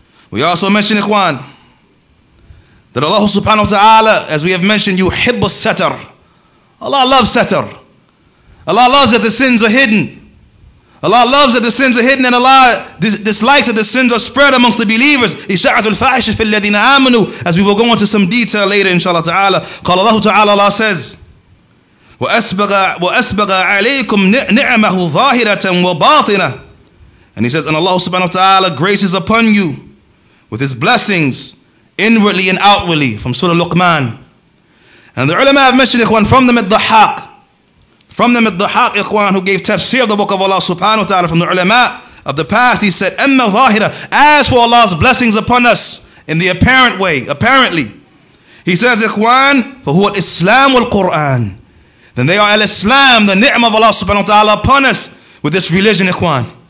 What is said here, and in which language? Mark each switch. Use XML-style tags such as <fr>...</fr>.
<en>We also mention, ikhwan, that Allah subhanahu wa ta'ala, as we have mentioned,</en> <ar>يُحِبُّ السَّتَر.</ar> <en>Allah loves satr. Allah loves that the sins are hidden. Allah loves that the sins are hidden, and Allah dislikes that the sins are spread amongst the believers.</en> <ar>إِشَاعَةُ الْفَاحِشِ فِي الَّذِينَ آمَنُوا.</ar> <en>As we will go into some detail later, inshallah ta'ala.</en> <ar>قال الله تعالى,</ar> <en>Allah says,</en> <ar>وَأَسْبَغَ عَلَيْكُمْ نِعْمَهُ ظَاهِرَةً وَبَاطِنَةً.</ar> <en>And he says, and Allah subhanahu wa ta'ala graces upon you with his blessings, inwardly and outwardly, from Surah Luqman. And the ulama have mentioned, ikhwan, from the Mid-Dhahaq, ikhwan, who gave tafsir of the book of Allah subhanahu wa ta'ala, from the ulama of the past, he said, Amma Zahira, as for Allah's blessings upon us in the apparent way, apparently, he says, ikhwan,</en> <ar>فهو الإسلام والقرآن,</ar> <en>then they are al-Islam, the ni'mah of Allah subhanahu wa ta'ala upon us with this religion, ikhwan.</en>